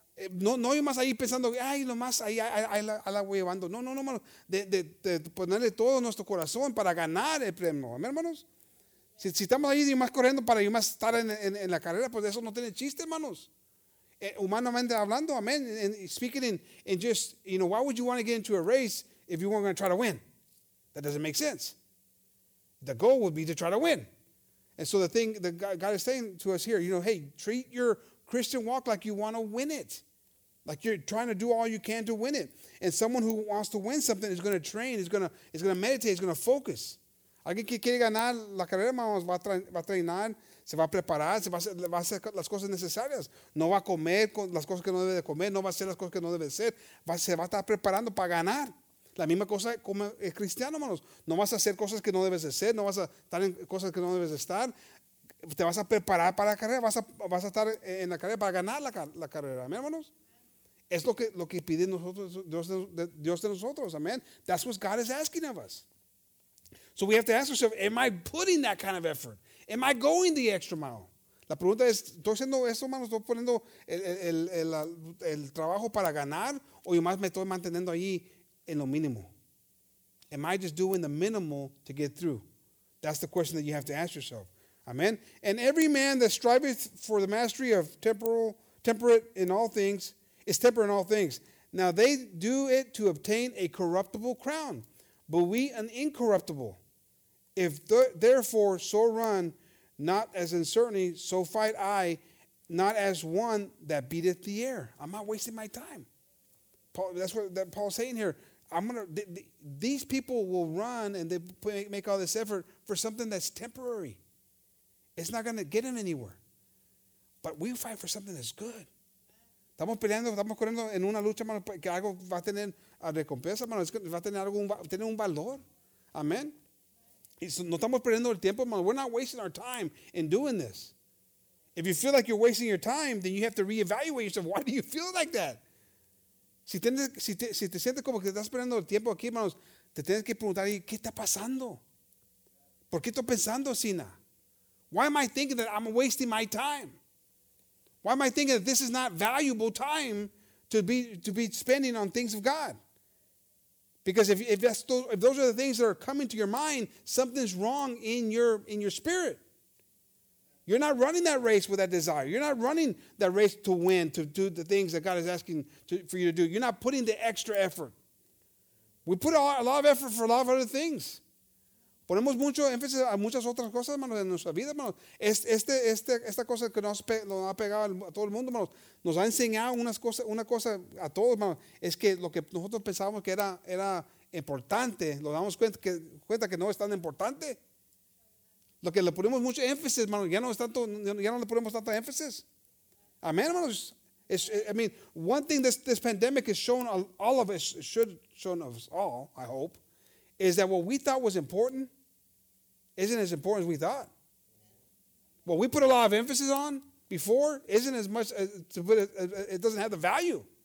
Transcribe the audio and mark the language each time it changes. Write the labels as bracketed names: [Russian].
[Spanish] No hay más ahí pensando, ay, nomás ahí la voy llevando. No, hermano. De ponerle todo nuestro corazón para ganar el premio. Amén, hermanos. Si estamos ahí y más corriendo para y más estar en la carrera, pues eso no tiene chiste, hermanos. Humanamente hablando, amén. [English] Speaking in just, you know, why would you want to get into a race if you weren't going to try to win? That doesn't make sense. The goal would be to try to win. And so the thing that God is saying to us here, you know, hey, treat your Christian walk like you want to win it. Like you're trying to do all you can to win it. And someone who wants to win something is going to train, is going to meditate, is going to focus. [Spanish] Alguien que quiere ganar la carrera, vamos, va a entrenar, se va a preparar, va a hacer las cosas necesarias. No va a comer las cosas que no debe de comer, no va a hacer las cosas que no debe de hacer. Se va a estar preparando para ganar. La misma cosa como el cristiano, hermanos. No vas a hacer cosas que no debes de hacer, no vas a estar en cosas que no debes de estar. Te vas a preparar para la carrera, vas a estar en la carrera para ganar la carrera, amén, hermanos. Es lo que pide nosotros, Dios de nosotros, amén. [English] That's what God is asking of us. So we have to ask ourselves, am I putting that kind of effort? Am I going the extra mile? [Spanish] La pregunta es, ¿estoy haciendo esto, hermano? ¿Estoy poniendo el trabajo para ganar? ¿O yo más me estoy manteniendo ahí en lo mínimo? [English] Am I just doing the minimal to get through? That's the question that you have to ask yourself. Amen? And every man that striveth for the mastery of temperate in all things is temperate in all things. Now they do it to obtain a corruptible crown, but we an incorruptible. If therefore so run, not as uncertainly, so fight I, not as one that beateth the air. I'm not wasting my time. Paul, that's what that Paul's saying here. I'm gonna. These people will run and they make all this effort for something that's temporary. It's not gonna get them anywhere. But we fight for something that's good. [Spanish] Estamos peleando, estamos corriendo en una lucha, hermano, que algo va a tener recompensa, hermano, va a tener algo, tiene un valor. Amén. No estamos perdiendo el tiempo, hermano. [English] We're not wasting our time in doing this. If you feel like you're wasting your time, then you have to reevaluate yourself. Why do you feel like that? [Spanish] Si te sientes como que estás perdiendo el tiempo aquí, hermanos, te tienes que preguntar, ¿qué está pasando? ¿Por qué estoy pensando así? [English] Why am I thinking that I'm wasting my time? Why am I thinking that this is not valuable time to be spending on things of God? Because if those are the things that are coming to your mind, something's wrong in your spirit. You're not running that race with that desire. You're not running that race to win, to do the things that God is asking for you to do. You're not putting the extra effort. We put a lot of effort for a lot of other things. [Spanish] Ponemos mucho énfasis a muchas otras cosas, hermanos, en nuestra vida, hermanos. Esta cosa que nos ha pegado a todo el mundo, hermanos, nos ha enseñado una cosa a todos, hermanos, es que lo que nosotros pensábamos que era importante, lo damos cuenta que no es tan importante. Lo que le ponemos mucho énfasis, hermanos, ya no le ponemos tanto énfasis. Amén, hermanos. [English] One thing this pandemic has shown all of us, should have shown us all, I hope, is that what we thought was important isn't as important as we thought. What we put a lot of emphasis on before isn't as much, it doesn't have the value.